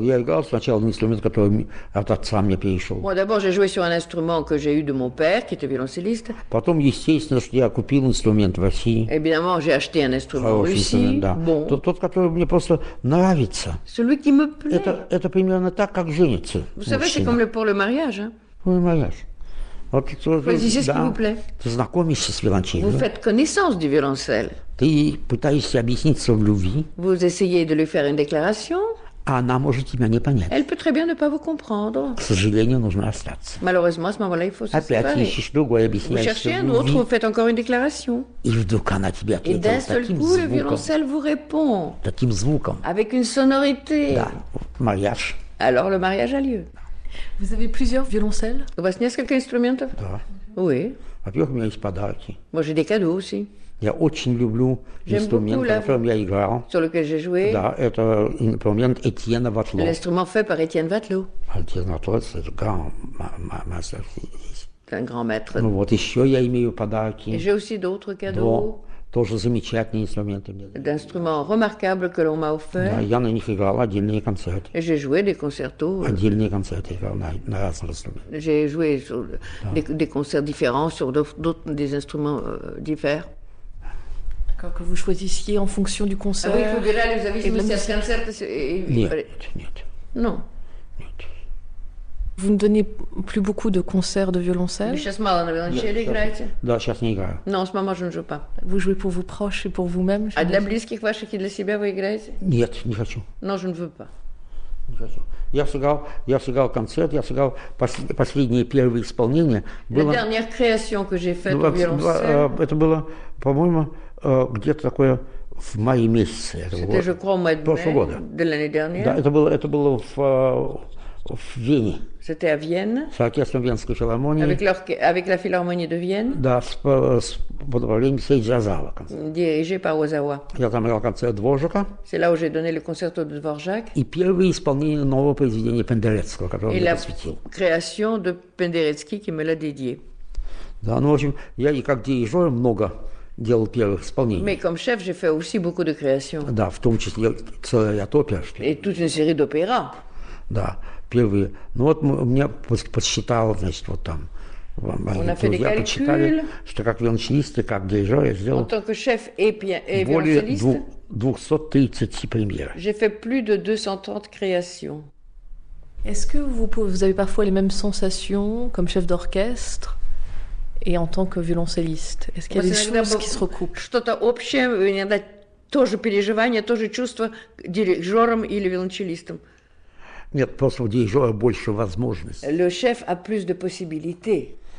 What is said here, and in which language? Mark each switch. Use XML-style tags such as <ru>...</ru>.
<ru>Я играл сначала на инструмент, который от отца мне перешел.</ru> <fr>Moi, d'abord, j'ai joué sur un instrument que j'ai eu de mon père, qui était violoncelliste.</fr> <ru>Потом, естественно, что я купил инструмент в России.</ru> <fr>Évidemment, j'ai acheté un instrument en Russie. Да. Bon.</fr> <ru>Тот, который мне просто нравится.</ru> <fr>Celui qui me plaît.</fr> <ru>Это примерно так, как женится.</ru> <fr>Vous savez, c'est comme pour le mariage. Pour le mariage. Вот, Choisissez</fr> <ru>да,</ru> <fr>ce qui vous plaît.</fr> <ru>Ты знакомишься с виолончелью.</ru> <fr>Vous faites connaissance du violoncelle.</fr> <ru>Ты пытаешься объяснить свою любви.</ru> <fr>Vous essayez de lui faire une déclaration.</fr> <ru>Она может тебя не понять.</ru> <fr>Elle peut très bien ne pas vous comprendre.</fr> <ru>К сожалению, нужно остаться.</ru> <fr>Malheureusement, à ce moment-là, il faut se séparer.</fr> <ru>Опять ищешь другое объяснение.</ru> <fr>Vous cherchez un autre, vous faites encore une déclaration.</fr> <ru>И вдруг она тебе ответила таким звуком.</ru> <fr>Et d'un seul coup,</fr> <ru>звуком,</ru> <fr>le violoncelle vous répond.</fr> <ru>Таким звуком.</ru> <fr>Avec une sonorité.</fr> <ru>Да, мариаж.</ru> <fr>Alors le mariage a lieu. Vous avez plusieurs violoncelles?</fr> <ru>У вас несколько инструментов? Да.</ru> <fr>Oui.</fr> <ru>Во-первых, у меня есть подарки.</ru> <fr>Moi, j'ai des cadeaux aussi.</fr> <ru>Я очень люблю инструмент, на котором я играл.</ru> <fr>Sur lequel j'ai joué.</fr> <ru>Да, это инструмент Этьена Ватло.</ru> <fr>L'instrument fait par Étienne Vatelot. Этьен Ватло, c'est le grand master. C'est un grand maître.</fr> <ru>Ну вот, еще я имею подарки.</ru> <fr>Et j'ai aussi d'autres cadeaux.</fr> <ru>Тоже замечательные инструменты.</ru> <fr>D'instruments remarquables que l'on m'a offert.</fr> <ru>Да, я на них играл отдельные концерты.</ru> <fr>Et j'ai joué des concertos.</fr> <ru>Отдельные концерты играл на разных инструментах.</ru> <fr>J'ai joué sur des concerts différents sur d'autres des instruments divers. D'accord, que vous choisissiez en fonction du concert. Ah oui, vous verrez, vous avez choisi un concert.</fr> <ru>Нет.</ru> <fr>Non.</fr> <ru>Нет.</ru> <fr>Vous ne donnez plus beaucoup de concerts de violoncelle.</fr> <ru>Сейчас мало на виолончели играете? Да, сейчас не играю.</ru> <fr>Non, en ce moment, je ne joue pas. Vous jouez pour vos proches et pour vous-même?</fr> <ru>А для близких ваших и для себя вы играете? Нет, не хочу.</ru> <fr>Non, je ne veux pas.</fr> <ru>Не хочу. Я сыграл концерт, я сыграл последнее первое исполнение.</ru> <fr>La dernière création que j'ai faite au violoncelle.</fr> <ru>Это было, по-моему, где-то такое в мае месяце.</ru> <fr>C'était, je crois, au mois de mai.</fr> <ru>Прошлого года.</ru> <fr>De l'année dernière.</fr> <ru>Да, это было в в Вене.</ru> <fr>C'était à Vienne.</fr> <ru>С оркестром Венской филармонии.</ru> <fr>Avec la philharmonie de Vienne.</fr> <ru>Да, с подавлением Сейджа Зава.</ru> <fr>Dirigé par Ozawa.</fr> <ru>Я там играл концерт Дворжака.</ru> <fr>C'est là où j'ai donné le concerto de Dvorak.</fr> <ru>И первое исполнение нового произведения Пендерецкого, которое я посвятил.</ru> <fr>Et la création de Penderecki qui me l'a dédié.</fr> <ru>Да, ну, в общем, я и как дирижер много делал первых исполнений.</ru> <fr>Mais comme chef, j'ai fait aussi beaucoup de créations.</fr> <ru>Да, в том числе целый ряд опер.</ru> <fr>Et toute une série d'opéra.</fr> <ru>Да, первые. Ну вот у меня подсчитал, значит, вот там.</ru> <fr>On a fait des calculs.</fr> <ru>Подсчитали, что как виолончелист и как дирижер я сделал.</ru> <fr>En tant que chef et violoniste.</fr> <ru>Более 230 премьер.</ru> <fr>J'ai fait plus de 230 créations. Est-ce que vous avez parfois les mêmes sensations comme chef d'orchestre et en tant que violoncelliste? Est-ce qu'il y a des choses qui se recoupent?</fr> <ru>Что-то общее, у меня да, тоже переживания, тоже чувства дирижером или виолончелистом. Нет, просто у дирижера больше возможностей.</ru> <fr>Le chef a plus de possibilités.</fr>